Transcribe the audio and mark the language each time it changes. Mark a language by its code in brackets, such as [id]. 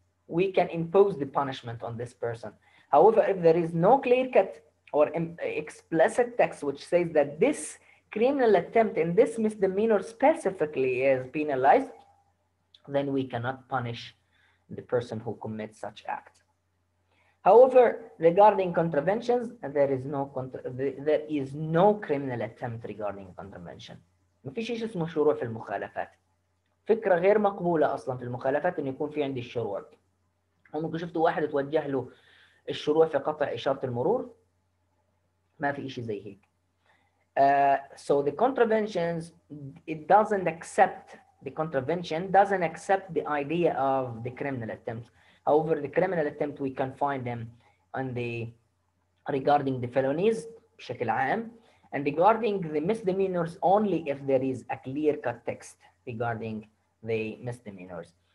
[en] We can impose the punishment on this person. However, if there is no clear-cut or explicit text which says that this criminal attempt and this misdemeanor specifically is penalized, then we cannot punish the person who commits such act. However, regarding contraventions, there is no criminal attempt regarding contravention. [ar] ما فيش شيء اسمه شروع في المخالفات. فكرة غير مقبولة أصلاً في المخالفات إن يكون في عندي الشروع. هم شفتوا واحد توجه له الشروع في قطع إشارة المرور. ما في إشي زي هيك. [en] So the contraventions, it doesn't accept, the contravention doesn't accept the idea of the criminal attempt. However, the criminal attempt, we can find them on the regarding the felonies, [ar] بشكل عام, [en] and regarding the misdemeanors only if there is a clear-cut text regarding the misdemeanors.